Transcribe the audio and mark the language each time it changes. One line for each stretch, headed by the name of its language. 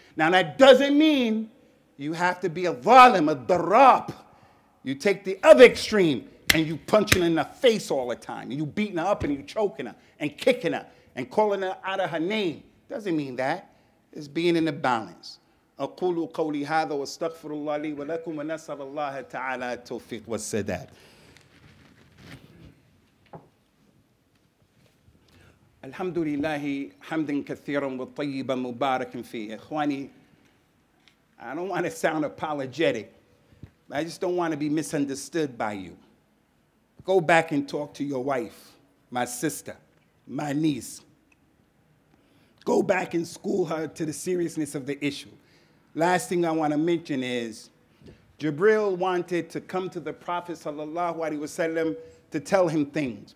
English: Now, that doesn't mean you have to be a zalim, a darab. You take the other extreme and you punching her in the face all the time. And you beating her up and you choking her and kicking her and calling her out of her name. Doesn't mean that. It's being in the balance.
Arabic: أقول قولي هذا واستغفر الله لي ولكم ونسأل الله تعالى التوفيق والسداد. الحمد لله حمدا كثيرا وطيبا مباركا فيه.
English: إخواني, I don't want to sound apologetic, but I just don't want to be misunderstood by you. Go back and talk to your wife, my sister, my niece. Go back and school her to the seriousness of the issue. Last thing I want to mention is, Jibril wanted to come to the Prophet sallallahu alaihi wasallam to tell him things.